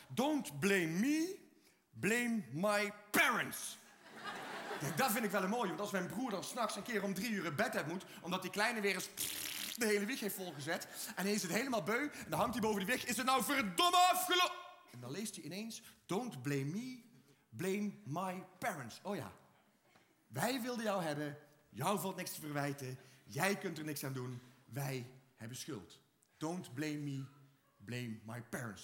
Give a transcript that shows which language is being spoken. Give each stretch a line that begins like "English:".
English: Don't blame me, blame my parents.
Dutch: Ja, dat vind ik wel een mooie, want als mijn broer dan 's nachts een keer om 3 uur in bed hebt moet, omdat die kleine weer eens de hele wieg heeft volgezet, en hij is het helemaal beu, en dan hangt hij boven de wieg, is het nou verdomme afgelopen? En dan leest hij ineens,
English: don't blame me, blame my parents.
Dutch: Oh ja, wij wilden jou hebben, jou valt niks te verwijten, jij kunt er niks aan doen. Wij hebben schuld.
English: Don't blame me, blame my parents.